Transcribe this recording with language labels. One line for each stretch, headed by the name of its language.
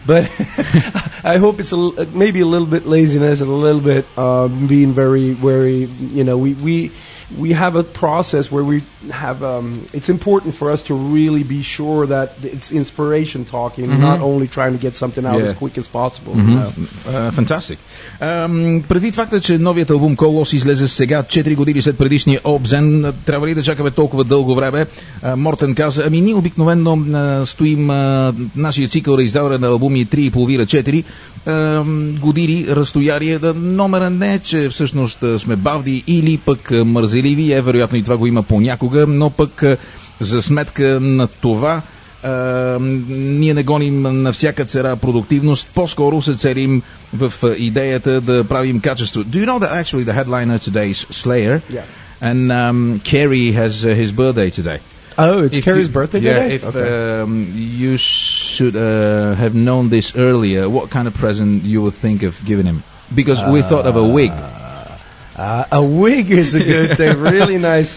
English: But I hope it's maybe a little bit laziness and a little bit being very wary. You know, we have a process where we have. It's important for us to really be sure that it's inspiration talking, mm-hmm. not only trying to get something out as quick as possible. Mm-hmm. Fantastic.
Bulgarian: Предвид факта, че новият албум Колос излезе сега 4 години след предишния Обзен, трябва ли да чакаме толкова дълго време? Мортен каза, ами ние обикновено стоим нашия цикъл на издаване на албуми 3,5-4 години разстояние. Номера не е, че всъщност сме бавди или пък мързеливи, е вероятно и това го има понякога, но пък за сметка на това ние не гоним на всяка цена продуктивност, по-скоро се целим в идеята да правим качество.
English: Do you know that actually the headliner today is Slayer? Yeah. And Kerry has his birthday today. Oh, it's Kerry's birthday today? Yeah, if you should have known this earlier, what kind of present you would think of giving him? Because we thought of a wig. A wig is a good thing. Really nice.